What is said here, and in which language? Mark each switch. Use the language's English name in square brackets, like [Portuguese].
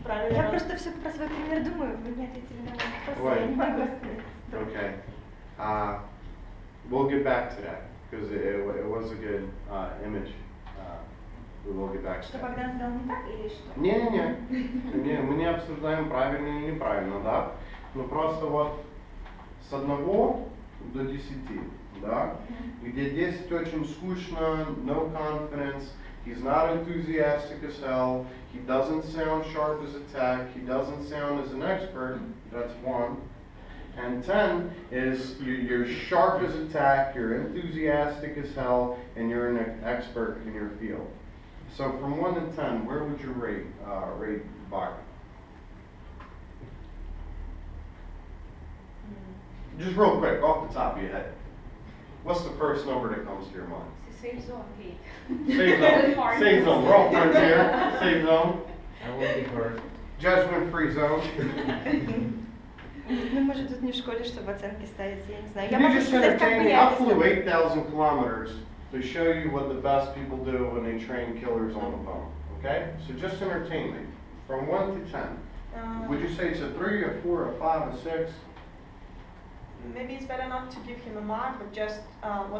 [Russian] я просто все про свой пример думаю, вы не ответили на вопрос, я не могу сказать. [English] Okay, we'll get back to that, because it was a good image. We will get back to that. [Russian] Что Богдан сделал не так, или что? Не-не-не, мы не обсуждаем правильно или неправильно, да? Ну просто вот с 1 до 10, да? Где 10 очень скучно, [English] no confidence, he's not enthusiastic as hell, he doesn't sound sharp as a tech, he doesn't sound as an expert, that's 1. And 10 is you're sharp as a tech, you're enthusiastic as hell, and you're an expert in your field. So from 1 to 10, where would you rate Bogdan? just real quick, off the top of your head, what's the first number that comes to your mind? It's a safe zone, Pete. Safe zone. Safe zone. We're all friends here. Safe zone. I won't be hurt. Judgment free zone. [Russian] Ну, может, тут не в школе, чтобы оценки ставить, я не знаю. [English] You just entertain me. I flew 8,000 kilometers to show you what the best people do when they train killers on the phone. Okay? So just entertain me. From 1 to 10. Would you say it's a 3, a 4, a 5, a 6? Maybe it's better not to give him a mark, but just what